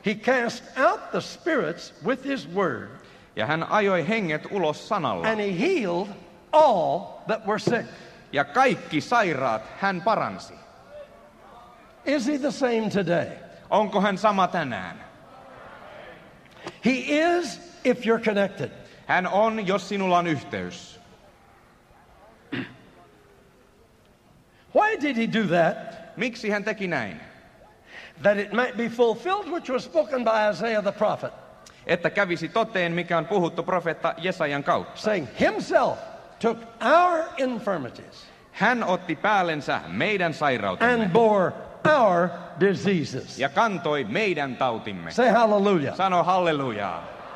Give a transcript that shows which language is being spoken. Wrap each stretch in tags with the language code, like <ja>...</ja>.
<en>He cast out the spirits with his word.</en> <fi>Ja hän ajoi henget ulos sanalla.</fi> <en>And he healed all that were sick.</en> <fi>Ja kaikki sairaat hän paransi.</fi> <en>Is he the same today?</en> <fi>Onko hän sama tänään?</fi> <en>He is if you're connected.</en> <fi>Hän on, jos sinulla on yhteys.</fi> <en>Why did he do that?</en> <fi>Miksi hän teki näin?</fi> <en>That it might be fulfilled which was spoken by Isaiah the prophet.</en> <fi>Että kävisi toteen, mikä on puhuttu profeetta Jesajan kautta.</fi> <en>Saying himself took our infirmities.</en> <fi>Hän otti päällensä meidän sairautemme.</fi> <en>And bore our diseases.</en> <fi>Ja kantoi meidän tautimme.</fi> <en>Say hallelujah.</en> <fi>Sano hallelujaa.</fi>